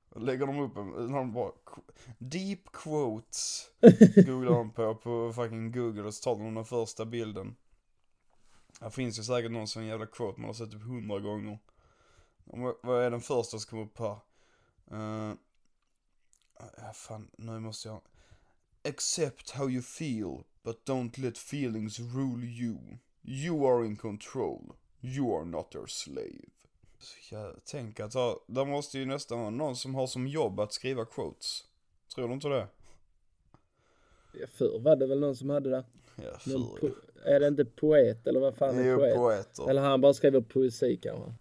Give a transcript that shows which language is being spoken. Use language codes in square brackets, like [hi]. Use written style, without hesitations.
[sv] Lägger de upp en, de bara, deep quotes, googlar de på fucking Google och så tar de den första bilden. Det finns ju säkert någon sån jävla quote man har sett typ 100 gånger. Vad är den första som kommer upp här? Fan, nu måste jag... [en] Accept how you feel, but don't let feelings rule you. You are in control. You are not your slave. [sv] Så jag tänker att det måste ju nästan vara någon som har som jobb att skriva quotes. Tror du inte det? Förr var det väl någon som hade det? Är det inte poet eller vad fan är poet? Poeter. Eller han bara skriver poesi kanske?